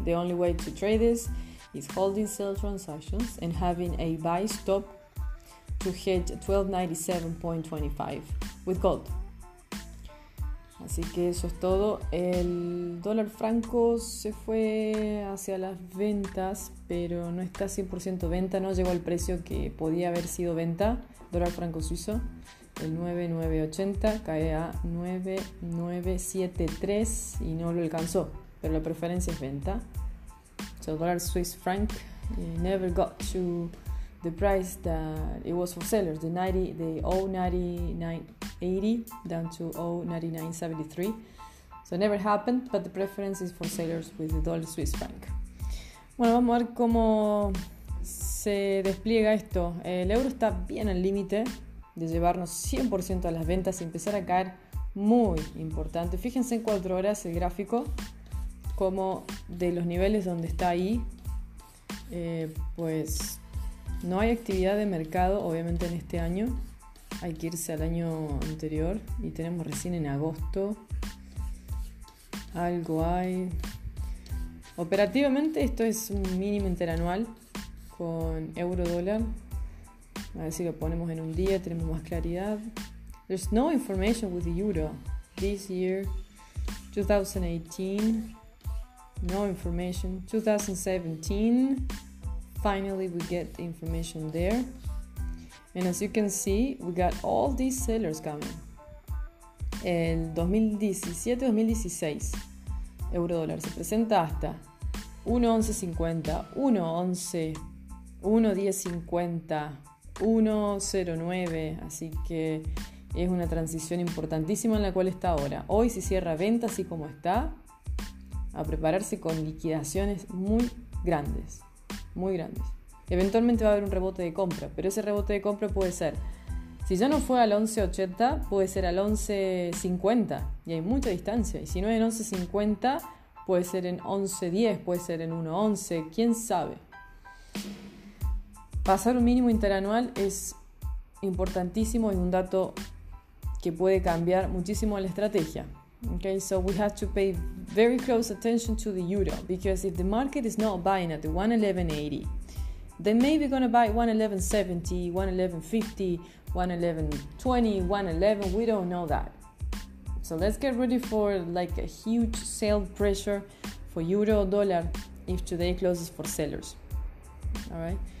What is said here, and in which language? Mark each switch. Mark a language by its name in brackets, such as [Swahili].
[English] The only way to trade this is holding sell transactions and having a buy stop to hedge 1297.25 with gold. [Spanish] Así que eso es todo. El dólar franco se fue hacia las ventas, pero no está 100% venta. No llegó al precio que podía haber sido venta. Dólar franco suizo, el 9.980, cae a 9.973 y no lo alcanzó. Pero la preferencia es venta. So, dólar Swiss franc never got to the price that it was for sellers, the 0.9980 down to 0.9973. So it never happened, but the preference is for sellers with the dollar Swiss franc. Bueno, vamos a ver cómo se despliega esto. El euro está bien al límite de llevarnos 100% a las ventas y empezar a caer muy importante. Fíjense en 4 horas el gráfico, como de los niveles donde está ahí, pues No hay actividad de mercado, obviamente, en este año. Hay que irse al año anterior y tenemos recién en agosto. Algo hay. Operativamente esto es un mínimo interanual con euro dólar. A ver si lo ponemos en un día, tenemos más claridad. [English] There's no information with the euro. This year, 2018, no information. 2017, finally we get the information there. And as you can see, we got all these sellers coming. [Spanish] El 2017-2016, euro dólar se presenta hasta 1.1150, 1.11, 1.1050, 1.09, así que es una transición importantísima en la cual está ahora. Hoy se cierra venta así como está, a prepararse con liquidaciones muy grandes, muy grandes. Eventualmente va a haber un rebote de compra, pero ese rebote de compra puede ser, si ya no fue al 11.80, puede ser al 11.50, y hay mucha distancia. Y si no es en 11.50, puede ser en 11.10, puede ser en 1.11, quién sabe. Pasar un mínimo interanual es importantísimo y un dato que puede cambiar muchísimo la estrategia. [English] Okay, so we have to pay very close attention to the euro, because if the market is not buying at the 1.1180, then maybe gonna buy 1.1170, 1.1150, 1.1120, 1.11, we don't know that. So let's get ready for like a huge sale pressure for euro or dollar if today closes for sellers. All right.